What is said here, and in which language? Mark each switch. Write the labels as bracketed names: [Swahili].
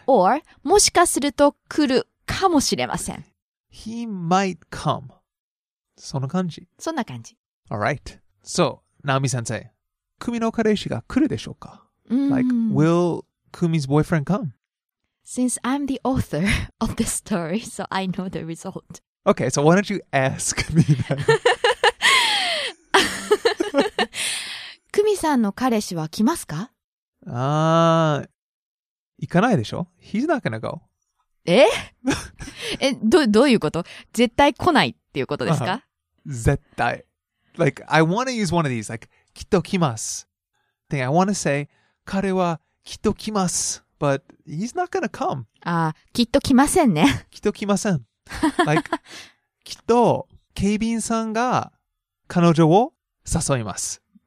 [Japanese] Or, もしかすると来るかもしれません。 [English] He might come. その感じ。 [Japanese] そんな感じ。 [English] Alright. So, Naomi sensei. [Japanese] 組の彼氏が来るでしょうか? [English] Like, will Kumi's boyfriend come? Since I'm the author of this story, so I know the result. Okay, so why don't you ask me that? [Japanese] Kumi さんの彼氏は来ますか? 行かないでしょ? He's not gonna go. え?どういうこと? 絶対来ないっていうことですか? 絶対。 [English] Like, I want to use one of these, like, きっと来ます. Thing I want to say, 彼はきっと来ます. But he's not going to come. [Japanese] Ah, きっと来ませんね。きっと来ません。 Like, きっと警備員さんが彼女を誘います。